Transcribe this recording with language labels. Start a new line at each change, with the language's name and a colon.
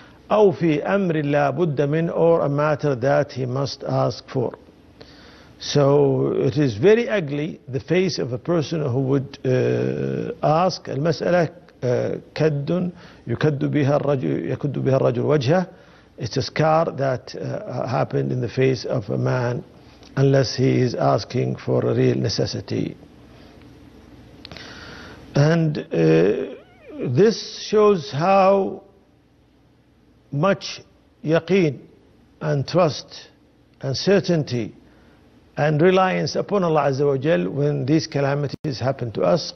Arabic: أو في أمر لا بد من,
English: or a matter that he must ask for. So it is very ugly, the face of a person who would ask.
Arabic: المسألة كد يكد بها الرجل وجهه.
English: It's a scar that happened in the face of a man unless he is asking for a real necessity. And this shows how much yaqeen and trust and certainty and reliance upon Allah Azza wa Jal when these calamities happen to us.